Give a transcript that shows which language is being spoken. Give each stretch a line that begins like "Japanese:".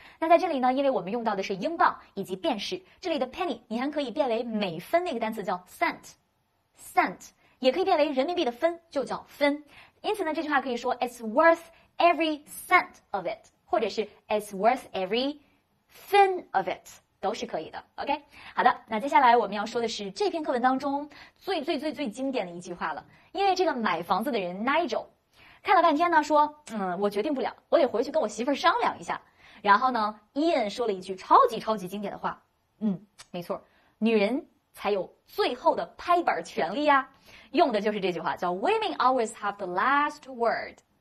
Chinese: 那在这里呢，因为我们用到的是英镑以及便士，这里的 penny 你还可以变为每分，那个单词叫 cent， 也可以变为人民币的分，就叫分。因此呢，这句话可以说
English: It's worth every cent of it， 或者是 It's worth every fin of it， 都是可以的。
Chinese: OK， 好的，那接下来我们要说的是这篇课文当中最最最最经典的一句话了。因为这个买房子的人 Nigel看了半天呢，说我决定不了，我得回去跟我媳妇儿商量一下。然后呢 Ian 说了一句超级超级经典的话，没错，女人才有最后的拍板权利呀，用的就是这句话，叫
English: Women always have the last word。